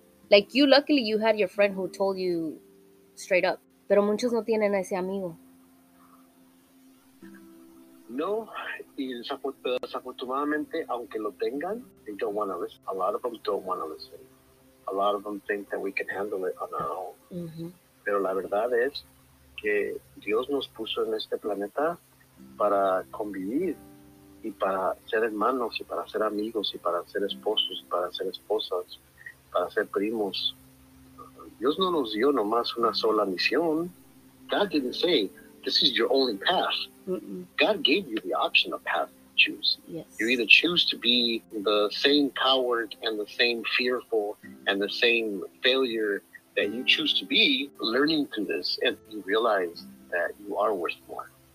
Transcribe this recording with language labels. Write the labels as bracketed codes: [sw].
[en] Like you, luckily you had your friend who told you straight up. [es] Pero muchos no tienen ese amigo. No, y desafortunadamente, aunque lo tengan, [en] they don't want to listen. A lot of them don't want to listen. A lot of them think that we can handle it on our own. Mm-hmm. [es] Pero la verdad es que Dios nos puso en este planeta para convivir y para ser hermanos y para ser amigos y para ser esposos y para ser esposas, para ser primos. Dios no nos dio nomás una sola misión. [en] God didn't say, this is your only path. Mm-mm. God gave you the option of path to choose. Yes. You either choose to be the same coward and the same fearful and the same failure that you choose to be, learning through this, and you realize that you are worth more.